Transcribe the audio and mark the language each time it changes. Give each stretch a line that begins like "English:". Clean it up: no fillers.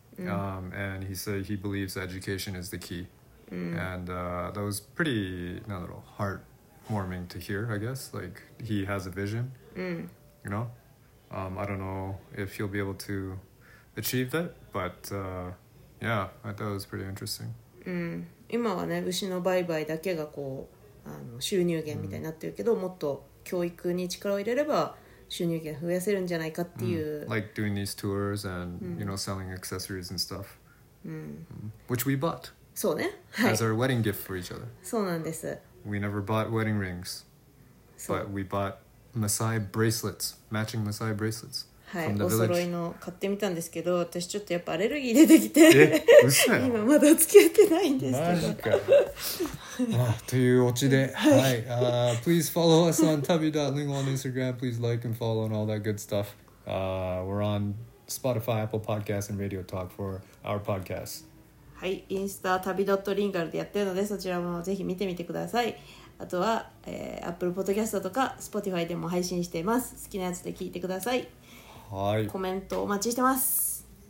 English: And he said he believes education is the key. And that was pretty, not at all, heartwarming to hear, I guess. Like, he has a vision, you know? I don't know if he'll be able to achieve that, but yeah, I thought it was pretty interesting.
Japanese: 今はね、牛の売買だけがこう収入源みたいになってるけど、もっと教育に力を入れれば収入源増やせるんじゃないかっていう。
English: Like doing these tours and, you know, selling accessories and stuff. Which we bought.
Japanese: そうね。はい。
English: As our wedding gift for each other.
Japanese: そうなんです。
English: We never bought wedding rings, but we bought Maasai bracelets, matching Maasai bracelets.
Japanese: はい、お揃いの買ってみたんですけど、私ちょっとやっぱアレルギー出てきて、今まだ付き合ってないんですけど。マジか。というオチで、はい、
English: please follow us on tabby.lingua on Instagram. Please like and follow and all that good stuff. We're on Spotify, Apple Podcasts, and Radio Talk for our podcast.
Japanese: はい、インスタ tabby.lingual でやってるので、そちらもぜひ見てみてください。あとは、Apple Podcast とか Spotify でも配信しています。好きなやつで聞いてください。はい、コメントお待ちしてます。